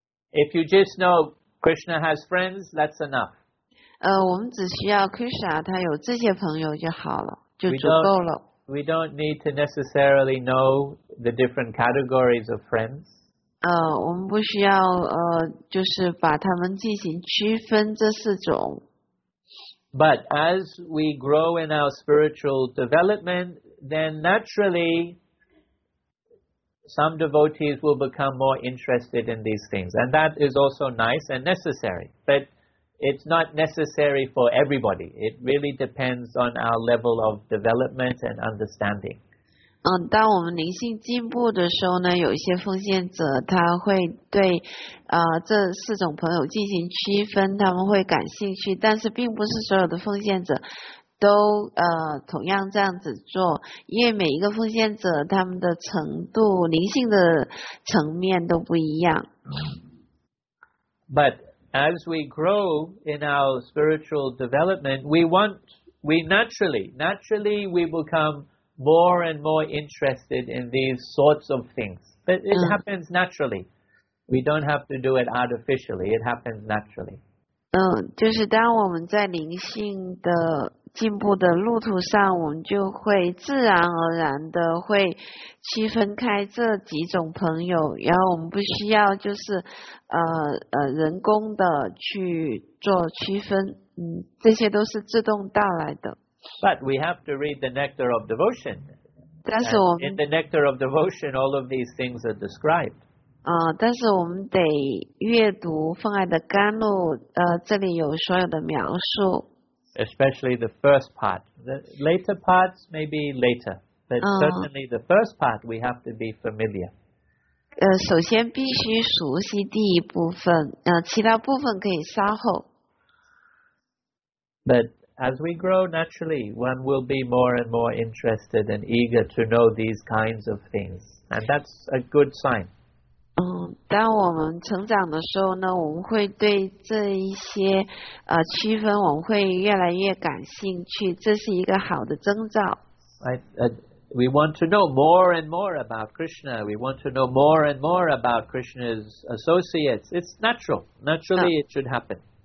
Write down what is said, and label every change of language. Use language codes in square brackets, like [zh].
[en] If you just know Krishna has friends, that's enough. [zh] 我们只需要 Krishna 他有这些朋友就好了，就足够了。 [en] We don't need to necessarily know the different categories of friends. [zh] 我们不需要就是把他们进行区分这四种。 [en] But as we grow in our spiritual development, then naturally some devotees will become more interested in these things. And that is also nice and necessary. But it's not necessary for everybody. It really depends on our level of development and understanding. [zh] 当我们灵性进步的时候呢，有一些奉献者他会对这四种朋友进行区分，他们会感兴趣，但是并不是所有的奉献者都同样这样子做，因为每一个奉献者他们的程度，灵性的层面都不一样。 [en] But as we grow in our spiritual development, we naturally we becomeore and more interested in these sorts of things. But it happens naturally. We don't have to do it artificially. It happens naturally. [zh] 就是当我们在灵性的进步的路途上，我们就会自然而然的会区分开这几种朋友，然后我们不需要就是人工的去做区分，这些都是自动到来的。 [en] But we have to read the Nectar of Devotion. [zh] 但是我们 [en] In the Nectar of Devotion, all of these things are described. [zh] 但是我们得阅读奉爱的甘露，这里有所有的描述。 [en] Especially the first part. The later parts, maybe later. But certainly the first part, we have to be familiar. [zh] 首先必须熟悉第一部分，其他部分可以稍后。 [en] But,As we grow naturally, one will be more and more interested and eager to know these kinds of things. And that's a good sign. [zh] 当我们成长的时候呢，我们会对这一些区分，我们会越来越感兴趣，这是一个好的征兆。 [en] We want to know more and more about Krishna. We want to know more and more about Krishna's associates. It's natural. Naturally, it should happen.